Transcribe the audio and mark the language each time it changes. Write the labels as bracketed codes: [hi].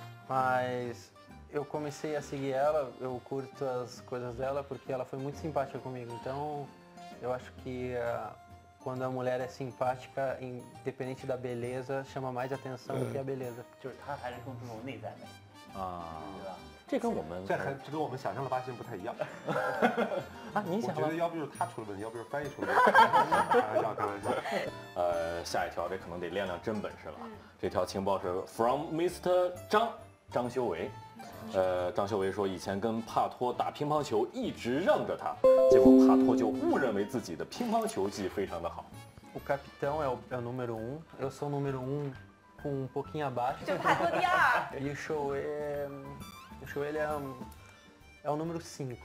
[pt] Mas eu comecei a seguir ela, eu curto as coisas dela porque ela foi muito simpática comigo. Então eu acho que quando a mulher é simpática, independente da beleza, chama mais atenção do que a beleza. [zh] 就是她还是更注重内在美。啊，对，这跟我们这跟我们想象的巴西人不太一样啊。你想，我觉得要不就是他出了问题，要不就是翻译出了问题。开玩笑。下一条这可能得练练真本事了。这条情报是 [en] from Mr. [zh] 张修为。张修为说，以前跟帕托打乒乓球，一直让着他，结果帕托就误认为自己的乒乓球技非常的好。 [pt] O capitão é o número um, eu sou o número um. Com um pouquinho abaixo. [zh] 就他做第二。 [pt] E o show é, o show ele é o número 5,